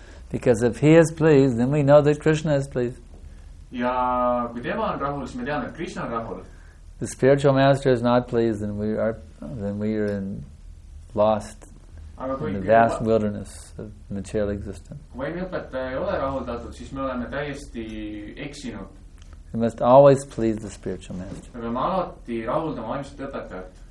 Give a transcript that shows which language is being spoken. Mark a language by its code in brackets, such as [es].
[en] Because if he is pleased, then we know that Krishna is pleased. [et] Ja kui tema on rahul, siis me teame, et Krishna on rahul. [en] The spiritual master is not pleased, then we are in lost in the vast wilderness of material existence. [et] Kui me õpetaja ei ole rahuldatud, siis me oleme täiesti eksinud. [en] We must always please the spiritual master. [et] Me peame alati rahuldama vaimset õpetajat.